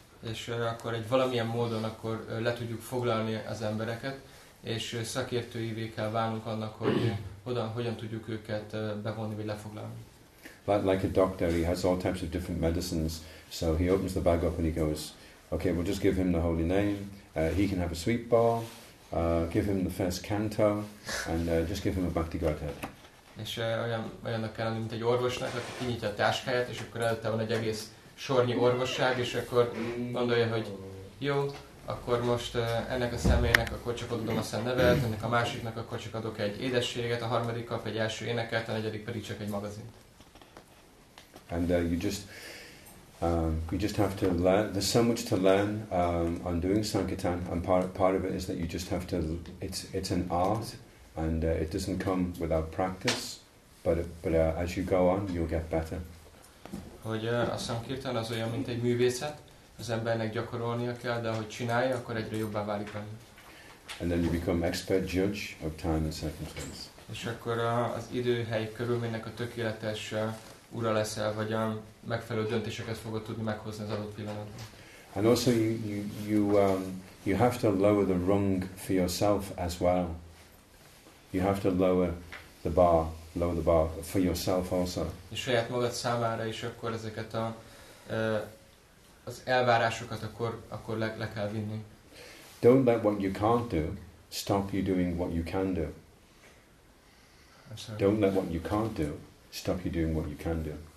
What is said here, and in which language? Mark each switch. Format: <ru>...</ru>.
<hu>És akkor egy valamilyen módon akkor le tudjuk foglalni az embereket, és szakértőivé kell válnunk annak, hogy hogyan tudjuk őket bevonni, vagy lefoglalni.</hu> <en>Like a doctor, he has all types of different medicines, so he opens the bag up and he goes, okay, we'll just give him the holy name, he can have a sweet ball, give him the first canto, and just give him a bhakti godhead.</en> <hu>És olyannak kell lenni, mint egy orvosnak, aki kinyitja a táskáját, és akkor előtte van egy egész sornyi orvosság, és akkor gondolja, hogy jó, akkor most ennek a személynek akkor csak adom a szent nevet, ennek a másiknak akkor csak adok egy édességet, a harmadik kap egy első éneket, a negyedik pedig csak egy magazint.</hu> <en>And you just have to learn, there's so much to learn on doing Sankirtan, and part of it is that you just have to, it's an art, and it doesn't come without practice, but as you go on, you'll get better.</en> <hu>Hogy a Sankirtan az olyan, mint egy művészet, az embernek gyakorolnia kell, de ahogy csinálja, akkor egyre jobbá válik benne.</hu> <en>And then you become expert judge of time and circumstance.</en> <hu>És akkor az időhely körülménynek a tökéletes ura leszel, vagy a megfelelő döntéseket fogod tudni meghozni az adott pillanatban.</hu> <en>And also you have to lower the rung for yourself as well. You have to lower the bar for yourself also.</en> <hu>És saját magad számára is akkor ezeket a az elvárásokat akkor le kell vinni.</hu> <en>Don't let what you can't do stop you doing what you can do. Don't let what you can't do stop you doing what you can do.</en>